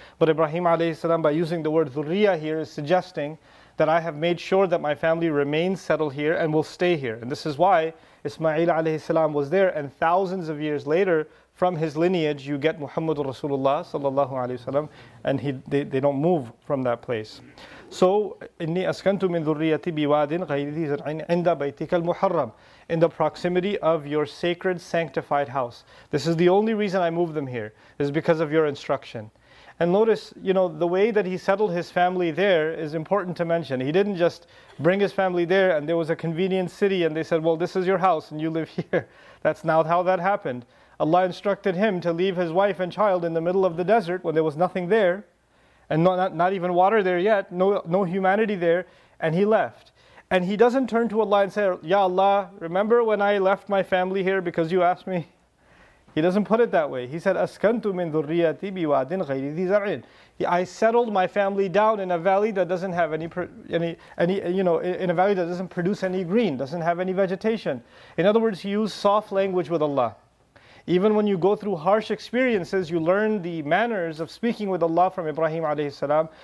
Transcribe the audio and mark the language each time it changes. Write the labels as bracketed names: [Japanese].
[English] But Ibrahim alayhi salam, by using the word dhurriya here, is suggesting that I have made sure that my family remains settled here and will stay here. And this is why Ismail alayhi salam was there, and thousands of years later, from his lineage, you get Muhammad Rasulullah sallallahu alayhi wa sallam, and they don't move from that place. [Arabic] So, إِنِّي أَسْكَنْتُ مِنْ ذُرِّيَّةِ بِوَادٍ غَيْرِ ذِي زَرْعٍ عِنْدَ بَيْتِكَ الْمُحَرَّمِ, [English] in the proximity of your sacred sanctified house. This is the only reason I moved them here, is because of your instruction. And notice, you know, the way that he settled his family there is important to mention. He didn't just bring his family there and there was a convenient city and they said, well, this is your house and you live here. That's not how that happened. Allah instructed him to leave his wife and child in the middle of the desert when there was nothing there, and not even water there yet, no humanity there, and he left. And he doesn't turn to Allah and say, Ya Allah, remember when I left my family here because you asked me? He doesn't put it that way. He said, [Arabic] أَسْكَنْتُ مِنْ ذُرِّيَّةِ بِوَادٍ غَيْرِ ذِي زَرْعٍ. [English] I settled my family down in a valley that doesn't have any, you know, in a valley that doesn't produce any green, doesn't have any vegetation. In other words, he used soft language with Allah. Even when you go through harsh experiences, you learn the manners of speaking with Allah from Ibrahim alayhi salam.